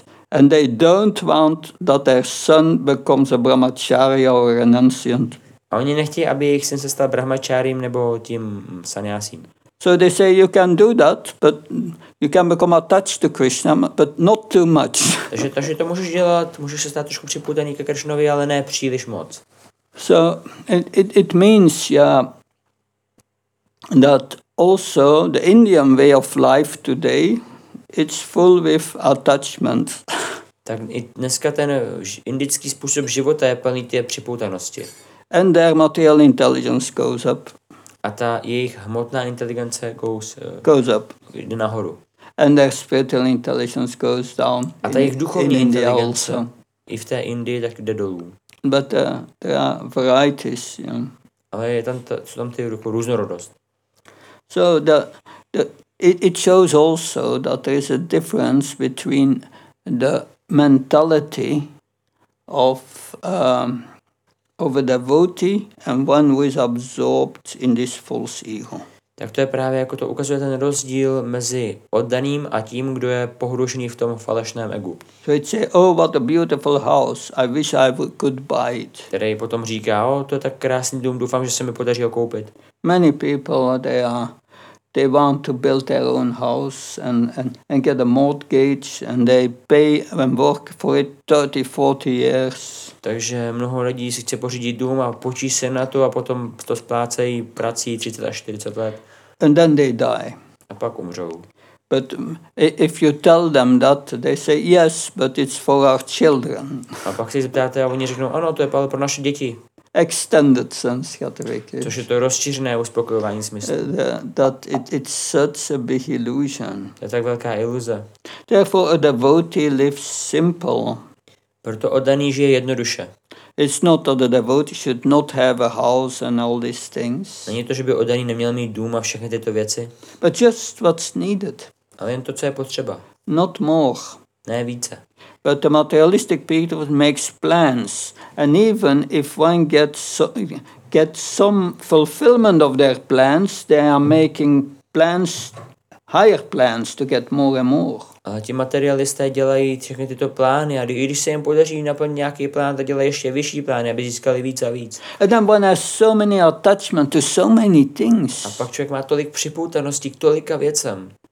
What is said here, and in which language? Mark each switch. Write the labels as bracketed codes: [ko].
[en] And they don't want that their son becomes a brahmacharya or renunciant. [cs] A oni nechtějí, aby jejich syn se stal brahmacharyem nebo tím sanyasím. [en] So they say you can do that, but you can become attached to Krishna, but not too much. [cs] Takže to můžeš dělat, můžeš se stát trošku připoutaný ke Krishnovi, ale ne příliš moc. [en] So it means that also the Indian way of life today. It's full with attachment. [cs] Tak i dneska ten indický způsob života je plný té připoutanosti. [en] And their material intelligence goes up. [cs] A ta jejich hmotná inteligence [en] goes up. [cs] Jde nahoru. [en] And their spiritual intelligence goes down. [cs] A ta jejich duchovní inteligence i v té Indii tak jde dolů. [en] But there are varieties. You know. [cs] Ale je tam ty různorodost. [en] So it shows also that there is a difference between the mentality of a devotee and one who is absorbed in this false ego. [cs] Tak to je právě jako to ukazuje ten rozdíl mezi oddaným a tím, kdo je pohrušený v tom falešném egu. [en] So it says, oh, what a beautiful house, I wish I could buy it. [cs] Který potom říká, oh, to je tak krásný dům, doufám, že se mi podaří ho koupit. [en] Many people, they want to build their own house and get a mortgage and they pay and work for it 30-40 years. [cs] Takže mnoho lidí si chce pořídit dům a počí se na to a potom to splácejí prací 30 až 40 let. [en] And then they die. [cs] A pak umřou. [en] But if you tell them that, they say yes, but it's for our children. [cs] A pak si zeptáte a oni řeknou, ano, to je pro naše děti. [en] Extended sanskritic. [cs] Což je to rozšířené uspokojování smyslu. [en] That it's such a big illusion. [cs] To je tak velká iluze. [en] Therefore a devotee lives simple. [cs] Proto oddaný žije jednoduše. [en] It's not that the devotee should not have a house and all these things. [cs] Není to, že by oddaný neměl mít dům a všechny tyto věci. [en] But just what's needed. [cs] Ale jen to, co je potřeba. [en] Not more. [cs] Ne více. [en] But the materialistic people makes plans, and even if one gets some fulfillment of their plans, they are making plans, higher plans to get more and more. [cs] Ale ti materialisté dělají všechny tyto plány, a když se jim podaří naplnit nějaký plán, tak dělají ještě vyšší plány, aby získali víc a víc. [en] And then one has so many attachment to so many things. [cs] A pak člověk má tolik připoutaností k tolika věcem.